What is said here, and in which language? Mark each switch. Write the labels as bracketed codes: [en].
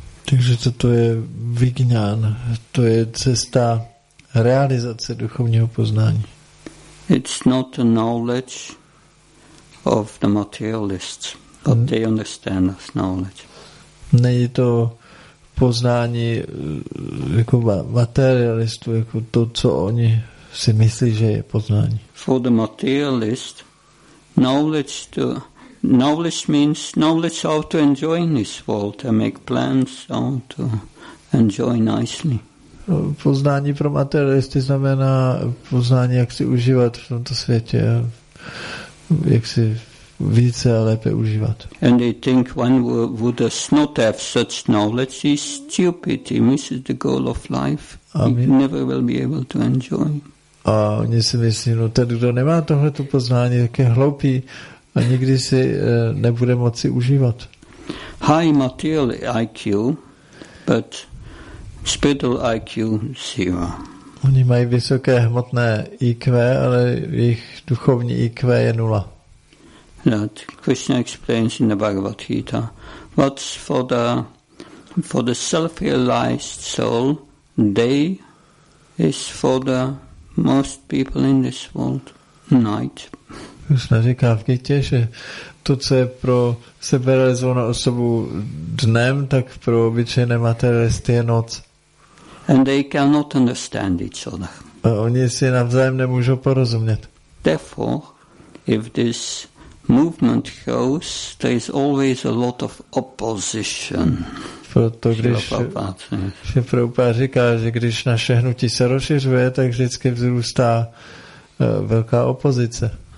[cs] Takže toto je vijnan, to je cesta realizace duchovního poznání. [en] It's not a knowledge of the materialists, but they understand this knowledge. [cs] Není to poznání jako materialistů, jako to, co oni si myslí, že je poznání. [en] For the materialist, knowledge means knowledge how to enjoy this world and make plans how to enjoy nicely. [cs] Poznání pro materialisty znamená poznání, jak si užívat v tomto světě, jak si více a lépe užívat. [en] And they think one would not have such knowledge, he's stupid, he misses the goal of life, he never will be able to enjoy. [cs] A oni si myslí, no ten, kdo nemá tohleto poznání, tak je hloupý a nikdy si nebude moci užívat. [en] High material IQ, but spiritual IQ zero. [cs] Oni mají vysoké hmotné IQ, ale jejich duchovní IQ je nula. [en] That Krishna explains in the Bhagavad Gita. What's for the self-realized soul, day is for the most people in this world, night. [cs] Krishna říká v Gitě, že to, co je pro seberealizovanou osobu dnem, tak pro obyčejné materialisty je noc. [en] And they cannot understand each other. [cs] A oni si navzájem nemůžou porozumět. [en] Therefore, if this movement goes, there is always a lot of opposition. [cs] Proto když Srila Prabhupada říká, že když naše hnutí se rozšiřuje, tak vždycky vzrůstá velká opozice.